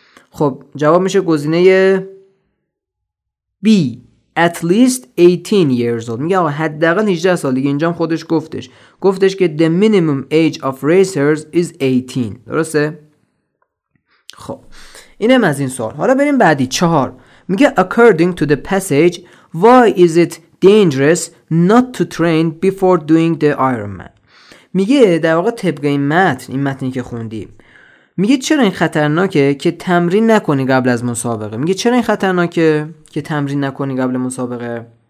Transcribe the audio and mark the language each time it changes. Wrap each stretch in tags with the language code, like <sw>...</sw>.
<fa>خب جواب میشه گزینه B</fa> <en>at least 18 years old.</en> <fa>میگه آقا حداقل 18 سال. دیگه اینجا هم خودش گفتش. گفتش که</fa> <en>the minimum age of racers is 18.</en> <fa>درسته؟ خب اینم از این سوال. حالا بریم بعدی، 4.</fa> <en>میگه according to the passage, why is it dangerous not to train before doing the Ironman.</en> <fa>میگه در واقع طبق این متن، این متنی که خوندیم، میگه چرا این خطرناکه که تمرین نکنی قبل از مسابقه. میگه چرا این خطرناکه که تمرین نکنی قبل مسابقه.</fa>